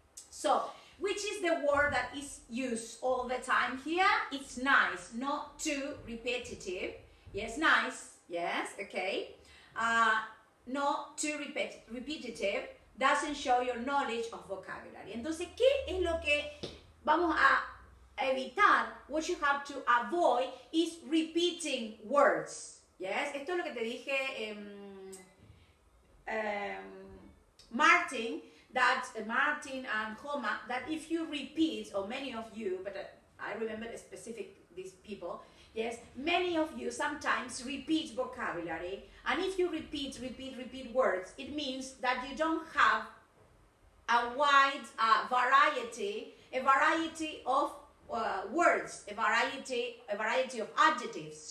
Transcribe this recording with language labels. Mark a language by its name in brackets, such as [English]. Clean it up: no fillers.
[English] So, which is the word that is used all the time here? It's nice, not too repetitive. Yes, nice, yes, okay. Not too repetitive, doesn't show your knowledge of vocabulary. [Spanish] Entonces, ¿qué es lo que vamos a evitar? [English] What you have to avoid is repeating words. Yes, [Spanish] esto es lo que te dije, [English] Martin and Homa, that if you repeat, or many of you, but I remember specific these people, yes, many of you sometimes repeat vocabulary, and if you repeat words, it means that you don't have a wide variety of adjectives.